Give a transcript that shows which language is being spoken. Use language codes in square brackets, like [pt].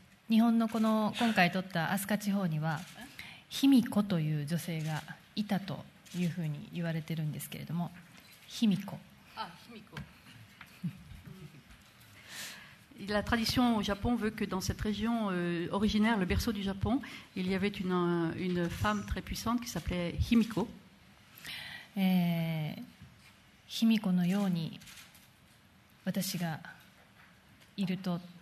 [ja] 日本のこの今回撮ったアスカ地方にはヒミコという女性がいたというふうに言われてるんですけれども、ヒミコ。あ、ヒミコ。La [fr] tradition au Japon veut que dans cette région originaire, le berceau du Japon, il y avait une femme très puissante qui s'appelait Himiko. [ja] ヒミコのように私がいると。